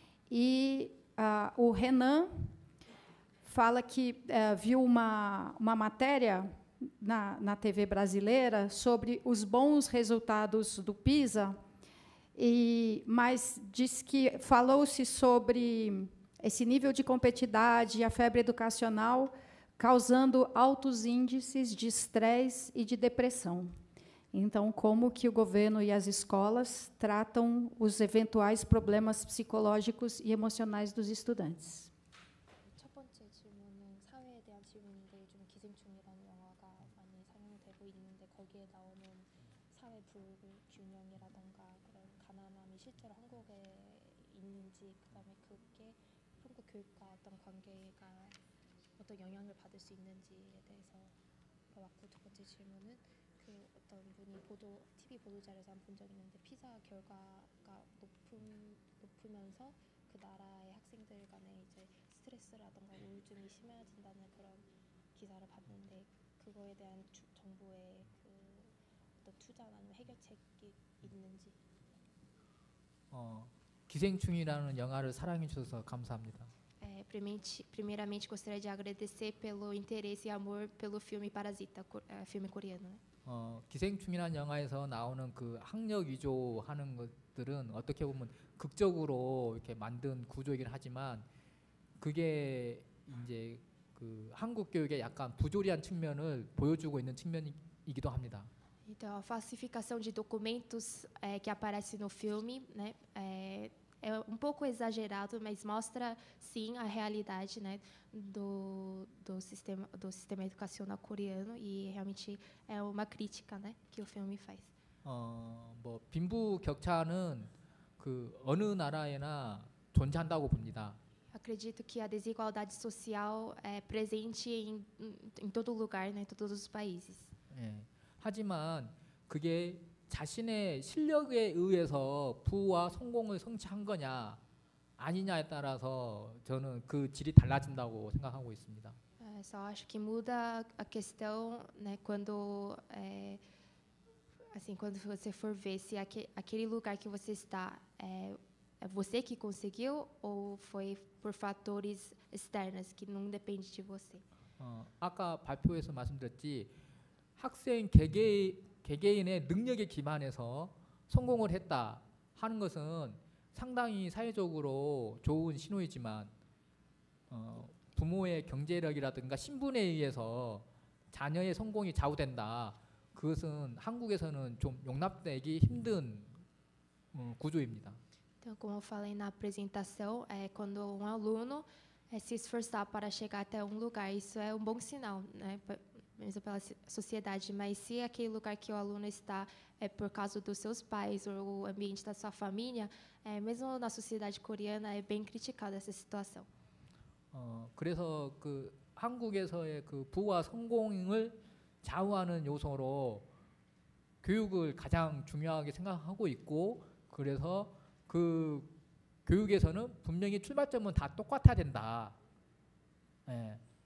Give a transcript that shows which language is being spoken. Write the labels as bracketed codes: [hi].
[pt] E o Renan fala que viu uma matéria na TV brasileira sobre os bons resultados do PISA, mas diz que falou-se sobre esse nível de competitividade e a febre educacional causando altos índices de estresse e de depressão. Então, como que o governo e as escolas tratam os eventuais problemas psicológicos e emocionais dos estudantes? [ko] 첫 번째 질문은 사회에 대한 질문인데 요즘 기생충이라는 영화가 많이 상영되고 있는데 거기에 나오는 사회 불균형이라든가 그런 가난함이 실제로 한국에 있는지 그다음에 그게 한국 교육과 어떤 관계가 어떤 영향을 받을 수 있는지에 대해서 물어봤고 두 번째 질문은 그 어떤 분이 TV 보도 자료에서 본 적이 있는데 피자 결과가 높으면서 그 나라의 학생들 간에 이제 스트레스라든가 우울증이 심해진다는 그런 기사를 봤는데 그거에 대한 정부의 그 어떤 투자 아니면 해결책이 있는지 기생충이라는 영화를 사랑해 주셔서 감사합니다. [pt] Primeiramente gostaria de agradecer pelo interesse e amor pelo filme Parasita, filme coreano. [ko] 기생충이라는 영화에서 나오는 그 학력 위조하는 것들은 어떻게 보면 극적으로 이렇게 만든 구조이긴 하지만 그게 이제 그 한국 교육의 약간 부조리한 측면을 보여주고 있는 측면이기도 합니다. [pt] Então, a falsificação de documentos que aparece no filme, né? É um pouco exagerado, mas mostra sim a realidade, né, do sistema educacional coreano e realmente é uma crítica, né, que o filme faz. [ko] 뭐 빈부 격차는 그 어느 나라에나 존재한다고 봅니다. [pt] Acredito que a desigualdade social é presente em todo lugar, né, em todos os países. [ko] 예. 하지만 그게 자신의 실력에 의해서 부와 성공을 성취한 거냐 아니냐에 따라서 저는 그 질이 달라진다고 생각하고 있습니다. [pt] So acho que muda a questão, né, quando assim, quando você for ver se aquele lugar que você está é você que conseguiu ou foi por fatores externos que não depende de você. [ko] 아까 발표에서 말씀드렸지 학생 개개인의 능력에 기반해서 성공을 했다 하는 것은 상당히 사회적으로 좋은 신호이지만 부모의 경제력이라든가 신분에 의해서 자녀의 성공이 좌우된다. 그것은 한국에서는 좀 용납되기 힘든 구조입니다. [pt] Então, como eu falei na apresentação, quando um aluno se esforçar para chegar até um lugar, isso é um bom sinal, né, mesmo pela sociedade. Mas se aquele lugar que o aluno está é por causa dos seus pais ou o ambiente da sua família, mesmo na sociedade coreana, é bem criticada essa situação. [ko] 그래서 그 한국에서의 그 부와 성공을 좌우하는 요소로 교육을 가장 중요하게 생각하고 있고 그래서 그 교육에서는 분명히 출발점은 다 똑같아야 된다. 예.